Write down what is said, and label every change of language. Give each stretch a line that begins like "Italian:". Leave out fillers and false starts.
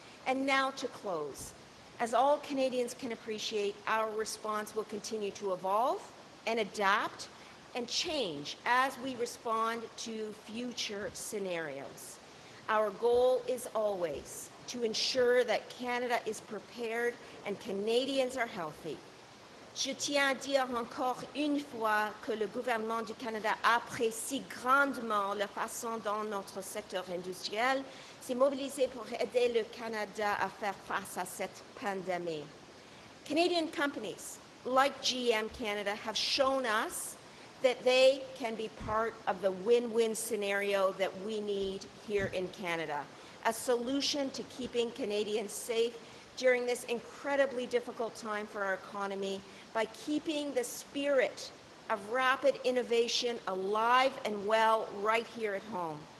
English: And now to close. As all Canadians can appreciate, our response will continue to evolve and adapt and change as we respond to future scenarios. Our goal is always to ensure that Canada is prepared and Canadians are healthy.
French: Je tiens à dire encore une fois que le gouvernement du Canada apprécie grandement la façon dont notre secteur industriel s'est mobilisé pour aider le Canada à faire face à cette pandémie.
English: Canadian companies like GM Canada have shown us that they can be part of the win-win scenario that we need here in Canada, a solution to keeping Canadians safe during this incredibly difficult time for our economy by keeping the spirit of rapid innovation alive and well right here at home.